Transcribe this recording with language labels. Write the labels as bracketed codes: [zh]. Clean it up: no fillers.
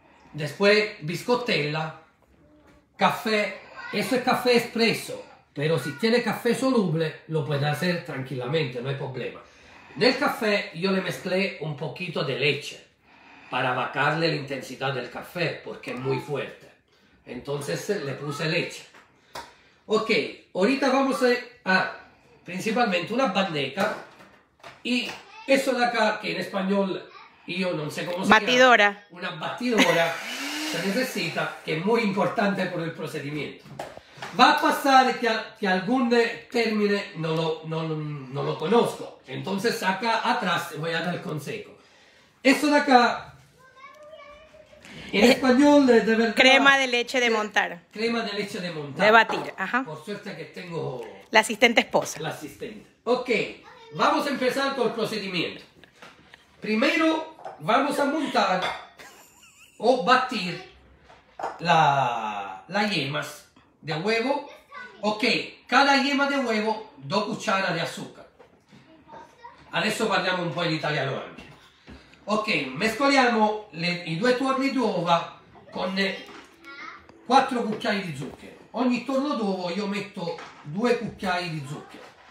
[es] Después [it] biscottella, caffè, questo è caffè espresso, però [es] se tiene [it] caffè solubile lo puoi fare tranquillamente, non è problema. Nel caffè io le [es] mesclé un pochito [it] di [es] leche [it] per [es] bajarle [it] l'intensità del caffè, perché è molto forte. [es] Entonces le puse leche. Ok, ahorita vamos a principalmente una bandeja y eso de acá, que en español yo no sé cómo se llama. Batidora. Una batidora se necesita, que es muy importante por el procedimiento. Va a pasar que algún término no lo conozco, entonces acá atrás voy a dar el consejo. Eso de acá, en español, de verdad, crema de leche de montar. Crema de leche de montar. De batir, ajá. Por suerte que tengo la asistente esposa. La asistente. Ok, vamos a empezar con el procedimiento. Primero vamos a montar o batir las yemas de huevo. Ok, cada yema de huevo, dos cucharas de azúcar. [it] Adesso parliamo un po' in italiano anche. Ok, mescoliamo i due torli d'uova con 4 cucchiai di zucchero. Ogni torno d'uovo io metto 2 cucchiai di zucchero.